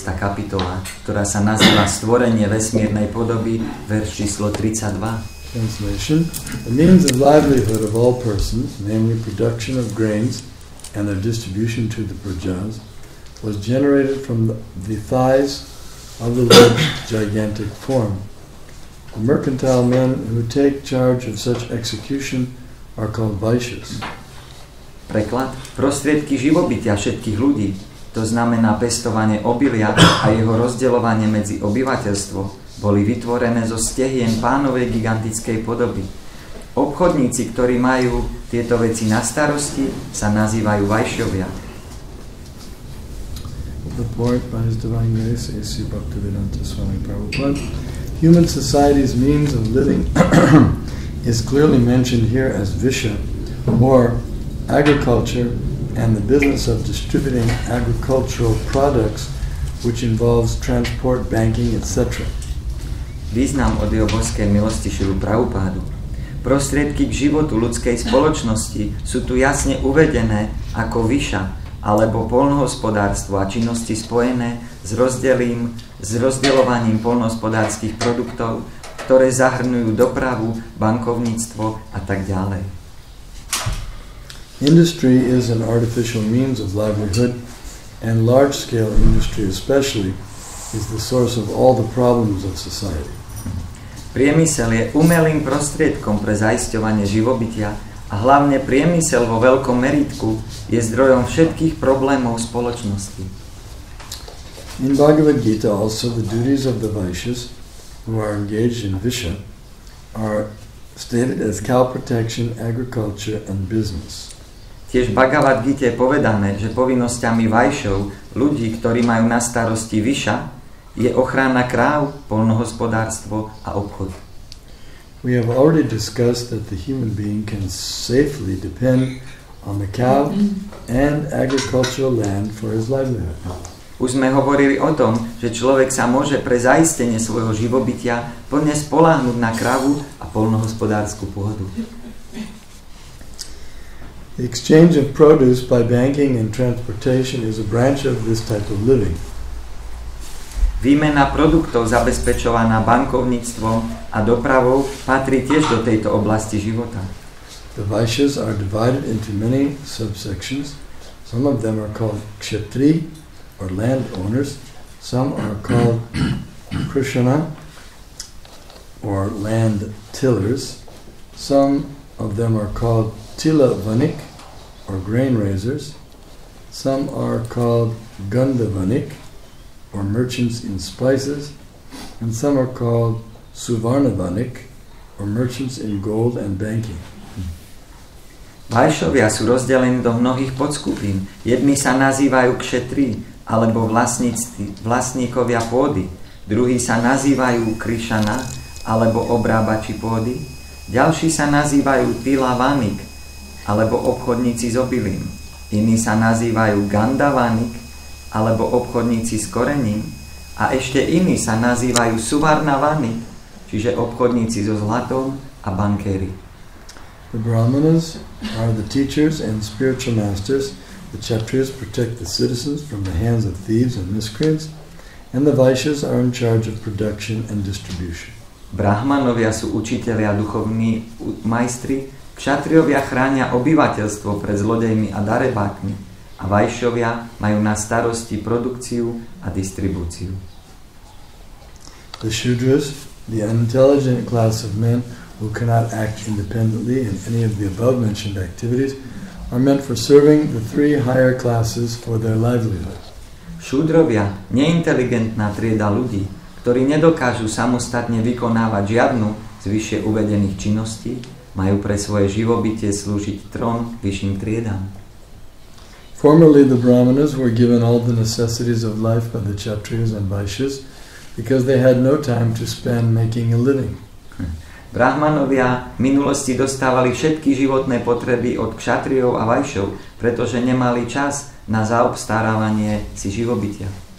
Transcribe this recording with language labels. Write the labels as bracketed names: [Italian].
[Slovak] kapitola, ktorá sa nazýva stvorenie vesmírnej podoby, verš číslo 32. [English] Translation. The means of livelihood of all persons, namely production of grains and their distribution to the prajas, was generated from the thighs of the Lord's gigantic form. The mercantile men who take charge of such execution are called vaishyas. [Slovak] Preklad. Prostriedky živobytia všetkých ľudí, to znamená pestovanie obilia a jeho rozdeľovanie medzi obyvateľstvo, boli vytvorené zo stehien pánovej gigantickej podoby. Obchodníci, ktorí majú tieto veci na starosti, sa nazývajú vaishyovia. [English] The point by His Divine Grace, A.C. Bhaktivedanta Swami Prabhupada. Human society's means of living is clearly mentioned here as visha, or agriculture, and the business of distributing agricultural products, which involves transport, banking, etc. [Slovak] Význam od jeho božskej milosti Šrilu Prabhupádu. Prostriedky k životu ľudskej spoločnosti sú tu jasne uvedené ako visha, alebo poľnohospodárstvo a činnosti spojené s rozdeľovaním poľnohospodárskych produktov, ktoré zahrňujú dopravu, bankovníctvo a tak ďalej. [English] Industry is an artificial means of livelihood, and large-scale industry especially is the source of all the problems of society. [Slovak] Priemysel je umelým prostriedkom pre zaisťovanie živobytia, a hlavne priemysel vo veľkom meritku je zdrojom všetkých problémov spoločnosti. [English] In Bhagavad Gita also the duties of the vaishyas who are engaged in visha are stated as cow protection, agriculture and business. [Slovak] Tiež v Bhagavad Gita je povedané, že povinnosťami vaishyov, ľudí, ktorí majú na starosti visha, je ochrana kráv, poľnohospodárstvo a obchod. [English] We have already discussed that the human being can safely depend on the cow and agricultural land for his livelihood. [Slovak] Už sme hovorili o tom, že človek sa môže pre zaistenie svojho živobytia plne spoláhnuť na kravu a poľnohospodársku pôdu. [English] The exchange of produce by banking and transportation is a branch of this type of living. [Slovak] Výmena produktov zabezpečovaná bankovníctvom a dopravou patrí tiež do tejto oblasti života. [English] The vaishyas are divided into many subsections. Some of them are called kshatri, or landowners. Some are called krishna, or land tillers. Some of them are called tilavanik, or grain raisers. Some are called gandavanik, or merchants in spices, and some are called suvarnavanik, or merchants in gold and banking. [Slovak] Vaishyovia sú rozdelení do mnohých podskupín. Jedni sa nazývajú kšetri, alebo vlastníkovia pôdy. Druhí sa nazývajú krišana, alebo obrábači pôdy. Ďalší sa nazývajú tilavanik, alebo obchodníci s obilím. Iní sa nazývajú gandavanik, alebo obchodníci s korením, a ešte iní sa nazývajú suvarnavani, čiže obchodníci so zlatom a bankéri. [English] The brahmanas are the teachers and spiritual masters. The kshatriyas protect the citizens from the hands of thieves and miscreants. And the vaishyas are in charge of production and distribution. [Slovak] Brahmanovia sú učitelia duchovní majstri. Kšatriovia chránia obyvateľstvo pred zlodejmi a darebákmi. A vaishyovia majú na starosti produkciu a distribúciu. [English] The shudras, the unintelligent class of men who cannot act independently in any of the above mentioned activities, are meant for serving the three higher classes for their livelihood. [Slovak] Šudrovia, neinteligentná trieda ľudí, ktorí nedokážu samostatne vykonávať žiadnu z vyššie uvedených činností, majú pre svoje živobytie slúžiť trom vyšším triedám. [English] Formerly the brahmanas were given all the necessities of life by the kshatriyas and vaishyas because they had no time to spend making a living. [Slovak] Brahmanovia v minulosti dostávali všetky životné potreby od kšatriov a vaishyov, pretože nemali čas na zaobstarávanie si živobytia.